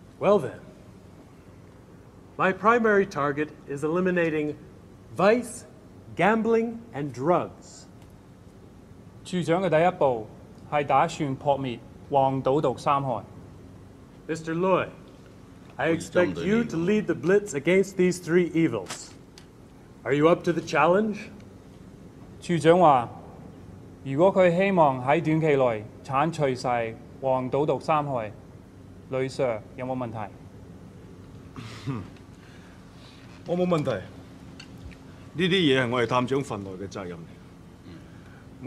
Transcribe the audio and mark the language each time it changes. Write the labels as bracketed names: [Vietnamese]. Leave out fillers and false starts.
[English] Well then, my primary target is eliminating vice, gambling, and drugs. [Cantonese] 處長嘅第一步係打算撲滅黃賭毒三害。 [English] Mr. Loy, I expect you to lead the blitz against these three evils. Are you up to the challenge? [Cantonese] 處長話：如果佢希望喺短期內剷除曬黃賭毒三害。雷 Sir， 有冇問題？我冇問題。呢啲嘢係我係探長份內嘅責任嚟。